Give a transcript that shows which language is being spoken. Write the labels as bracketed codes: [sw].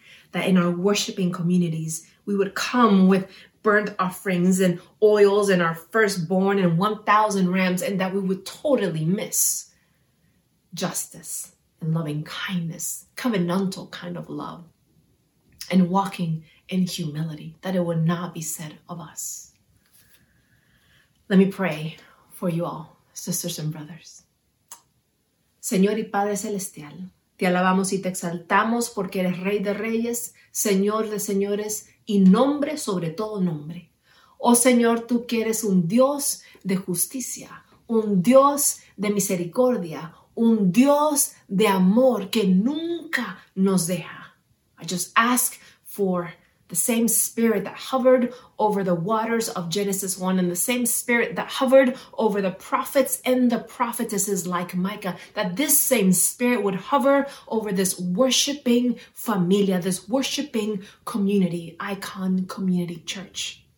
[en] that in our worshiping communities, we would come with burnt offerings and oils and our firstborn and 1,000 rams, and that we would totally miss justice and loving kindness, covenantal kind of love, and walking in humility, that it would not be said of us. Let me pray for you all, sisters and brothers. [es] Señor y Padre Celestial, te alabamos y te exaltamos porque eres Rey de Reyes, Señor de Señores, y nombre sobre todo nombre. Oh Señor, tú que eres un Dios de justicia, un Dios de misericordia, un Dios de amor que nunca nos deja. [en] I just ask for the same spirit that hovered over the waters of Genesis 1 and the same spirit that hovered over the prophets and the prophetesses like Micah, that this same spirit would hover over this worshiping familia, this worshiping community, Icon Community Church.